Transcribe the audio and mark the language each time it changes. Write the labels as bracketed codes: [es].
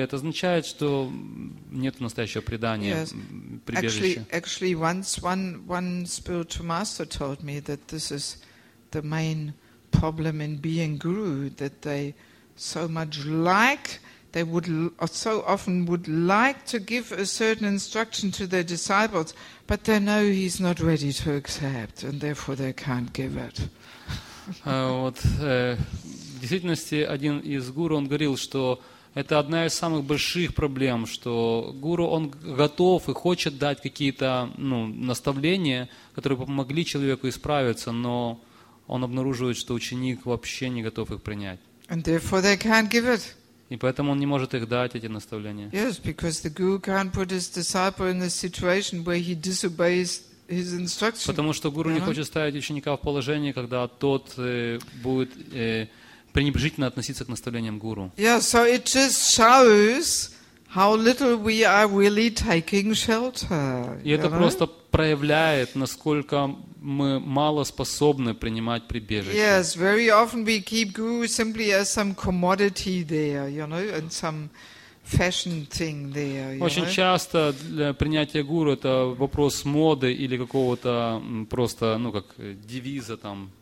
[ru] Это означает, что нет настоящего предания, прибежища. [en] Actually, once one spiritual master told me that this is the main problem in being guru, that they so much like, they would so often would like to give a certain instruction to their disciples, but they know he's not ready to accept, and therefore they can't give it. [ru] Вот в действительности один из гуру он говорил, что это одна из самых больших проблем, что гуру он готов и хочет дать какие-то наставления, которые помогли человеку исправиться, но он обнаруживает, что ученик вообще не готов их принять. [en] And therefore they can't give it. [ru] И поэтому он не может их дать, эти наставления. [en] Yes, because the guru can't put his disciple in a situation where he disobeys his instructions. [ru] Потому что гуру не хочет ставить ученика в положение, когда тот будет пренебрежительно относиться к наставлениям гуру. [en] Yeah, so it just shows How little we are really taking shelter. [ru] И это просто проявляет, насколько мы мало способны принимать прибежище. [en] Yes, very often we keep guru simply as some commodity there, you know, and some fashion thing there. [ru] Очень часто для принятия гуру это вопрос моды или какого-то просто, ну как девиза там.